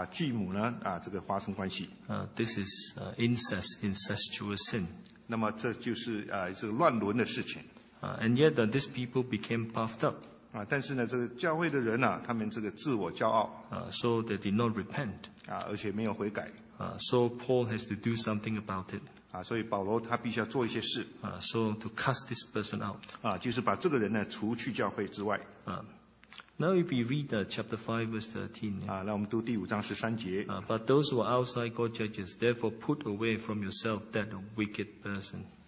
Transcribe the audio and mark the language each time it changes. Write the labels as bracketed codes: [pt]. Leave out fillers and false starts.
[zh] 就是有一个人跟他的这个继母呢，这个发生关系。 [en] This is incest, incestuous sin. [zh] 那么这就是乱伦的事情。 [en] And yet these people became puffed up. [zh] 但是呢，这个教会的人啊，他们这个自我骄傲。 [en] So they did not repent. [zh] 而且没有悔改。 [en] So Paul has to do something about it. [zh] 所以保罗他必须要做一些事。 [en] So to cast this person out. [zh] 就是把这个人呢除去教会之外。 [en] Now if we read chapter 5 verse 13. Yeah. [zh] 那我们读第五章十三节。 [en] But those who are outside God's judges, therefore put away from yourself that wicked person.